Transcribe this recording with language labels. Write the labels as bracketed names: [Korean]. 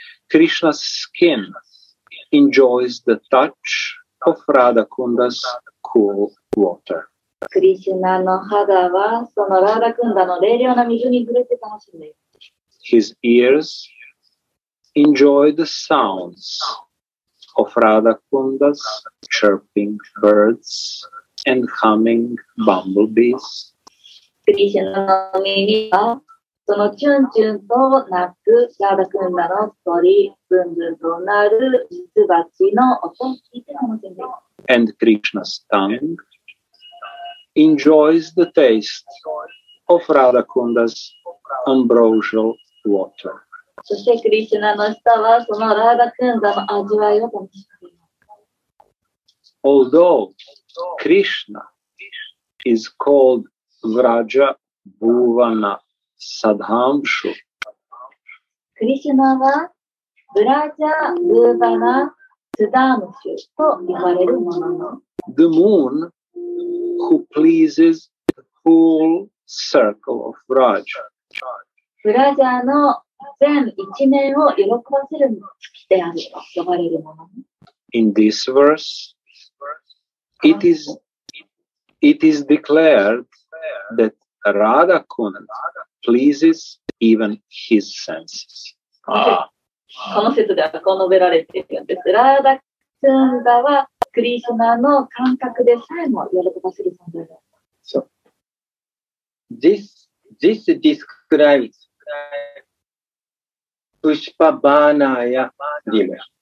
[English] Krishna's skin enjoys the touch of Radha Kunda's cool water. [Japanese] クリシュナの肌はそのラーダクンダの冷涼な水に触れて楽しんでいる。 [English] His ears enjoy the sounds of Radha Kunda's chirping birds and humming bumblebees. [Japanese] クリシュナの耳はそのチュンチュンと鳴くラーダクンダの鳥、ブンブンと鳴る蜜蜂の音を聞いて楽しんでいる。 [English] And Krishna's tongueenjoys the taste of Radha Kunda's ambrosial water. [Japanese] そしてクリシュナの舌はそのラーダクンダの味わいを楽しんでいます。 [English] Although Krishna is called Vraja Bhuvana Sadhamshu, [Japanese] クリシュナはブラジャ・ブーヴァナ・スダムシュと呼ばれるものの、 [English] The moon. Who pleases the whole circle of Raj? [Japanese] Raja の全一面を喜ばせる月であると呼ばれるもの。 [English] In this verse, it is declared that Radha Kunda pleases even his senses. [Japanese] この説ではこう述べられているんです。 Radha Kunda はクリシュナの感覚でさえも喜ばせる存在だ。 [English] So, this describes Pushpa Banaya Dima.